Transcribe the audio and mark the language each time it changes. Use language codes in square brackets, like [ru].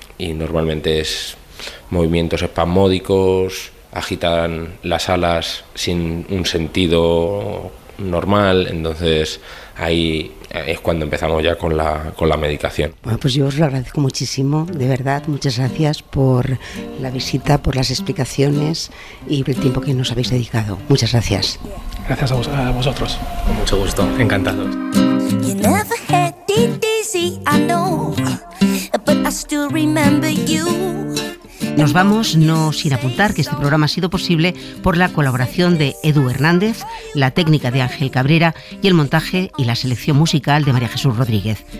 [es] Y normalmente es movimientos espasmódicos, agitan las alas sin un sentido normal, entonces ahí es cuando empezamos ya con la medicación. Bueno, pues yo os lo agradezco muchísimo, de verdad, muchas gracias por la visita, por las explicaciones y por el tiempo que nos habéis dedicado. Muchas gracias. Gracias a vosotros. Con mucho gusto, encantado. [en] You never had DDC, I know, but I still remember you. [es] Nos vamos, no sin apuntar que este programa ha sido posible por la colaboración de Edu Hernández, la técnica de Ángel Cabrera y el montaje y la selección musical de María Jesús Rodríguez.